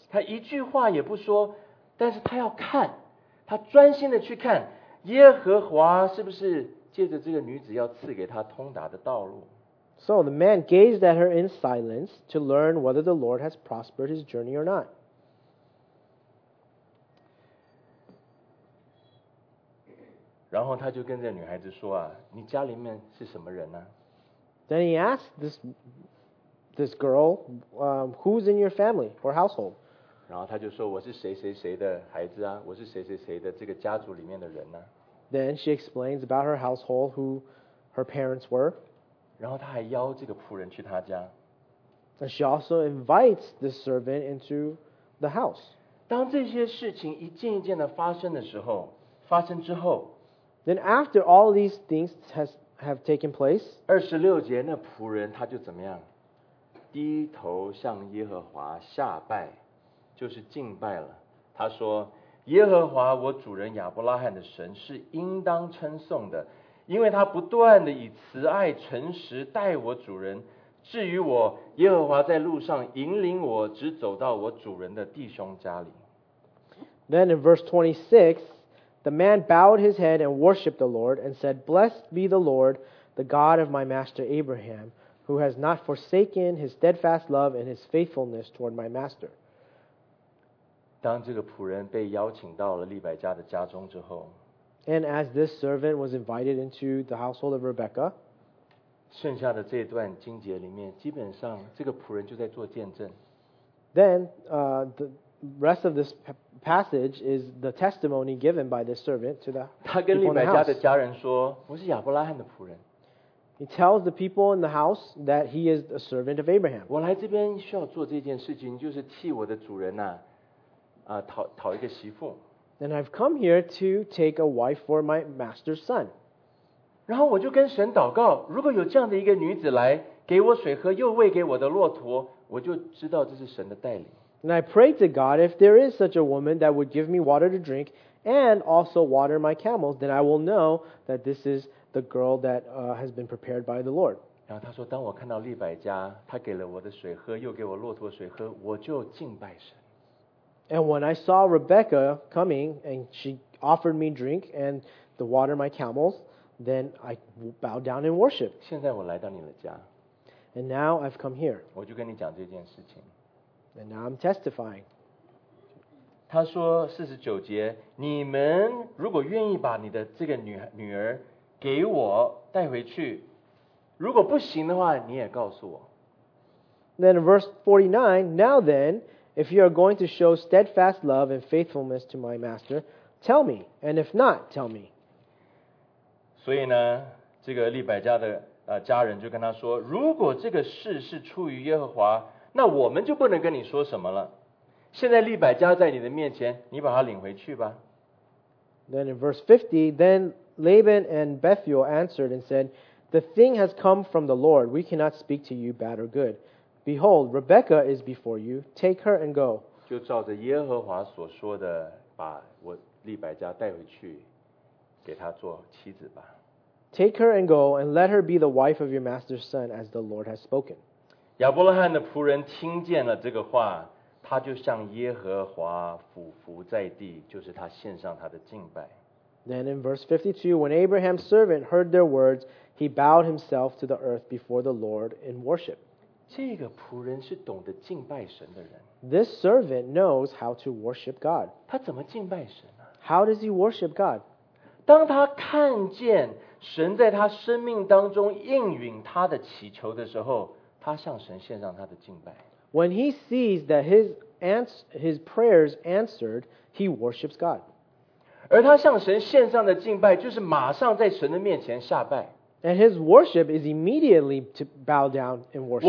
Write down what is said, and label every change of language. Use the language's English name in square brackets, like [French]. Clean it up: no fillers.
[Chinese] 他一句话也不说，但是他要看，他专心的去看耶和华是不是借着这个女子要赐给他通达的道路。 [English] So the man gazed at her in silence to learn whether the Lord has prospered his journey or not. [Chinese] 然后他就跟这女孩子说啊，你家里面是什么人呢？ [English] Then he asked this girl, who's in your family or household? [Chinese] 然后他就说，我是谁谁谁的孩子啊，我是谁谁谁的这个家族里面的人啊。 [English] Then she explains about her household, who her parents were. [Chinese] 然后他还邀这个仆人去他家。 [English] And she also invites the servant into the house. [Chinese] 当这些事情一件一件的发生的时候，发生之后， [English] Then after all these things have taken place. [Chinese] 二十六节那仆人他就怎么样？低头向耶和华下拜，就是敬拜了。他说：“耶和华我主人亚伯拉罕的神是应当称颂的，因为他不断的以慈爱诚实待我主人。至于我，耶和华在路上引领我，直走到我主人的弟兄家里。” [English] Then in verse 26. The man bowed his head and worshipped the Lord and said, Blessed be the Lord, the God of my master Abraham, who has not forsaken his steadfast love and his faithfulness toward my master. [Chinese] 当这个仆人被邀请到了利百加的家中之后， [English] And as this servant was invited into the household of Rebekah, [Chinese] 剩下的这段经节里面，基本上这个仆人就在做见证。 [English] Then, the rest of this passage is the testimony given by this servant to the people in the house. [Chinese] 他跟利百加的家人说，我是亚伯拉罕的仆人。 [English] He tells the people in the house that he is a servant of Abraham. [Chinese] 我来这边需要做这件事情，就是替我的主人啊，讨一个媳妇。 [English] And I've come here to take a wife for my master's son. [Chinese] 然后我就跟神祷告，如果有这样的一个女子来给我水喝，又喂给我的骆驼，我就知道这是神的带领。 [English] And I prayed to God, if there is such a woman that would give me water to drink and also water my camels, then I will know that this is the girl that has been prepared by the Lord. [Chinese] 然后他说，当我看到利百加，他给了我的水喝，又给我骆驼水喝，我就敬拜神。 [English] And when I saw Rebecca coming and she offered me drink and the water my camels, then I bowed down in worship. [Chinese] 现在我来到你的家。 [English] And now I've come here. [Chinese] 我就跟你讲这件事情。 [English] And now I'm testifying. [Chinese] 他说四十九节，你们如果愿意把你的这个女儿给我带回去，如果不行的话，你也告诉我。 [English] Then in verse 49, now then, If you are going to show steadfast love and faithfulness to my master, tell me. And if not, tell me. [Chinese] 所以呢，这个利百加的家人就跟他说，如果这个事是出于耶和华，那我们就不能跟你说什么了。现在利百加在你的面前，你把他领回去吧。 [English] Then in verse 50, then Laban and Bethuel answered and said, The thing has come from the Lord. We cannot speak to you bad or good. Behold, Rebekah is before you. Take her and go. [Chinese] 就照着耶和华所说的，把我利百加带回去，给他做妻子吧。 [English] Take her and go, and let her be the wife of your master's son, as the Lord has spoken. [Chinese] 亚伯拉罕的仆人听见了这个话，他就向耶和华俯伏在地，就是他献上他的敬拜。 [English] Then in verse 52, when Abraham's servant heard their words, he bowed himself to the earth before the Lord in worship. [Chinese] 这个仆人是懂得敬拜神的人。 [English] This servant knows how to worship God. [Chinese] 他怎么敬拜神啊？ [English] How does he worship God? [Chinese] 当他看见神在他生命当中应允他的祈求的时候，他向神献上他的敬拜。 [English] When he sees that his prayers answered, he worships God. [Chinese] 而他向神献上的敬拜就是马上在神的面前下拜。 [English] And his worship is immediately to bow down in worship.